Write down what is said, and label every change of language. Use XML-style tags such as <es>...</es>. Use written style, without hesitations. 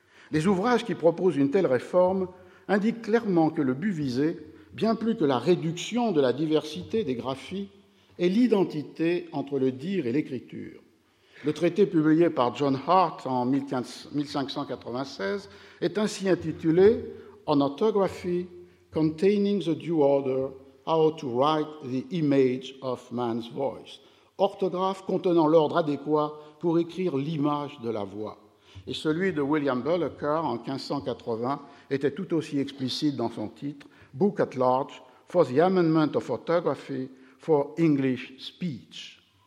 <fr>Les ouvrages qui proposent une telle réforme indiquent clairement que le but visé, bien plus que la réduction de la diversité des graphies, est l'identité entre le dire et l'écriture. Le traité publié par John Hart en 1596 est ainsi intitulé «</fr> <en>On orthography containing the due order how to write the image of man's voice.</en> <fr>Orthographe contenant l'ordre adéquat pour écrire l'image de la voix. Et celui de William Baedeker en 1580 était tout aussi explicite dans son titre, Book at Large for the Amendment of Orthography for English Speech.</fr>